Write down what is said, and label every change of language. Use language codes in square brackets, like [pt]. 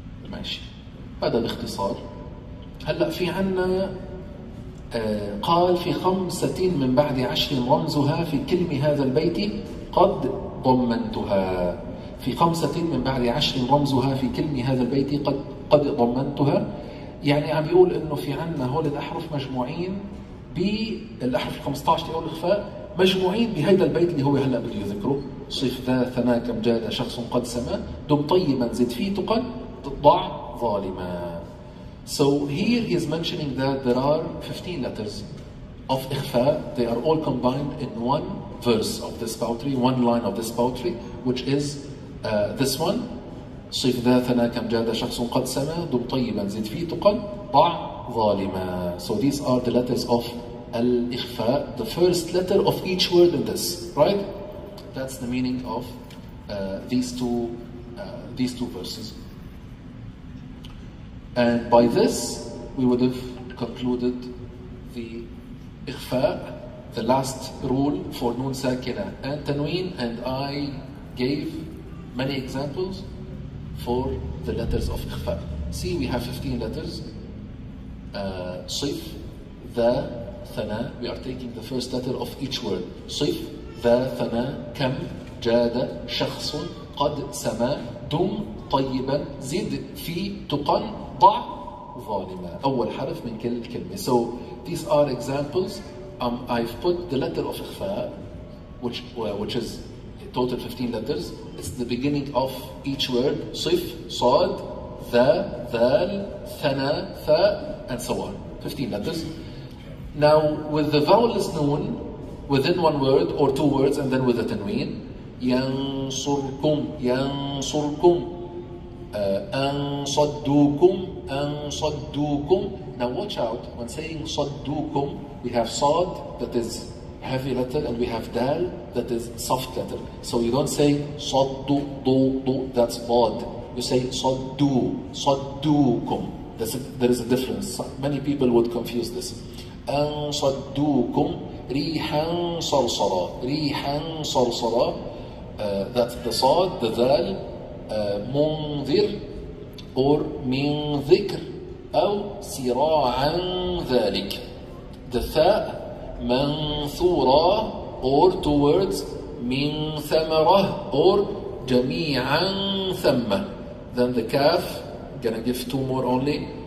[ar] ماشي، هذا باختصار. هلأ في عنا قال في 5 من بعد 10 رمزها في كلمة هذا البيت قد ضمنتها، في 5 من بعد 10 رمزها في كلمة هذا البيت قد ضمنتها. يعني عم يقول انه في عنا هول الأحرف مجموعين بالأحرف 15 لأول إخفاء، مجموعين بهذا البيت اللي هو هلأ بده يذكره. صيف ذا ثنا كم جاد شخص قد سما، دم طيبا زد فيه تقن ضع ظالما. [en] So here he is mentioning that there are 15 letters of إخفاء. They are all combined in one verse of this poetry, one line of this poetry, which is this one. [ar] صيف ذا ثنا كم جاد شخص قد سما، دم طيبا زد فيه تقن ضع ظالما. [en] So these are the letters of الإخفاء, the first letter of each word in this, right? That's the meaning of these two verses. And by this, we would have concluded the إخفاء, the last rule for نون ساكنة and تنوين. And I gave many examples for the letters of إخفاء. See, we have 15 letters. صيف, ذا, ثنا. We are taking the first letter of each word. [ar] صيف, ذا, ثنا, كم, جاد, شخص, قد, سما, دم, طيبا, زد, في, تقن, ضع, ظالما. أول حرف من كل كلمة. [en] So these are examples. I've put the letter of إخفاء, which is total 15 letters. It's the beginning of each word. [ar] صيف, صاد, ذا, ذال, ثنا, ثاء, [en] and so on. 15 letters. Now, with the vowelless noon, within one word or two words, and then with a tanween, ينصركم, ينصركم, أنصدوكم, أنصدوكم. Now watch out, when saying صدوكم, we have صاد, that is heavy letter, and we have دال, that is soft letter. So you don't say صدو, دو, دو, that's bad. You say صدو, صدوكم. There is a difference. Many people would confuse this. أنصدوكم [ar] ريحا صرصرا, ريحا صرصرا, [en] that's the صاد, the ذال, منذر or من ذكر أو سراعا ذلك, the ثاء, منثورا or two words, من ثمرة or جميعا ثم, then the كاف, gonna give two more only,